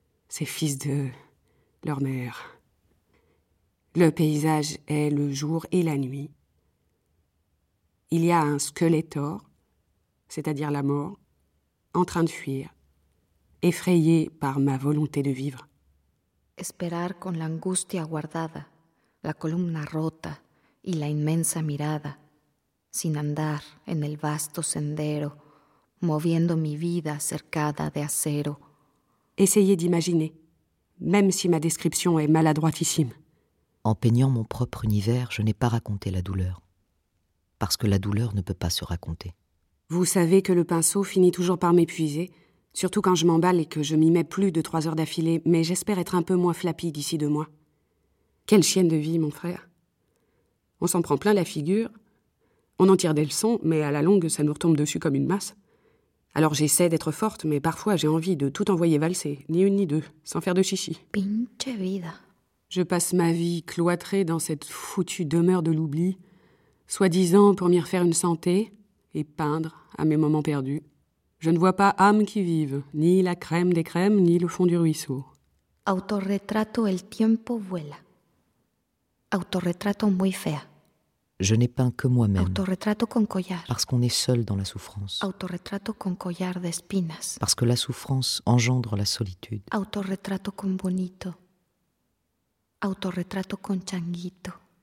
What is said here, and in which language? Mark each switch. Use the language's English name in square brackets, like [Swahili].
[French] Ces fils de leur mère. Le paysage est le jour et la nuit. Il y a un squelettor, c'est-à-dire la mort, en train de fuir, effrayé par ma volonté de vivre. [Spanish] Esperar con la angustia guardada, la columna rota y la inmensa mirada, sin andar en el vasto sendero, moviendo mi vida cercada de acero. [French] Essayez d'imaginer, même si ma description est maladroitissime. En peignant mon propre univers, je n'ai pas raconté la douleur, parce que la douleur ne peut pas se raconter. Vous savez que le pinceau finit toujours par m'épuiser, surtout quand je m'emballe et que je m'y mets plus de 3 heures d'affilée, mais j'espère être un peu moins flappy d'ici 2 mois. Quelle chienne de vie, mon frère. On s'en prend plein la figure, on en tire des leçons, mais à la longue, ça nous retombe dessus comme une masse. Alors j'essaie d'être forte, mais parfois j'ai envie de tout envoyer valser, ni une ni deux, sans faire de chichi. [Spanish] Pinche vida. [French] Je passe ma vie cloîtrée dans cette foutue demeure de l'oubli, soi-disant pour m'y refaire une santé et peindre à mes moments perdus. Je ne vois pas âme qui vive, ni la crème des crèmes, ni le fond du ruisseau. [Spanish] Autorretrato el tiempo vuela. Autorretrato muy fea. [French] Je n'ai peint que moi-même. [Spanish] Autorretrato con collar. [French] Parce qu'on est seul dans la souffrance. [Spanish] Autorretrato con collar de espinas. [French] Parce que la souffrance engendre la solitude. [Spanish] Autorretrato con bonito. Autorretrato con changuito.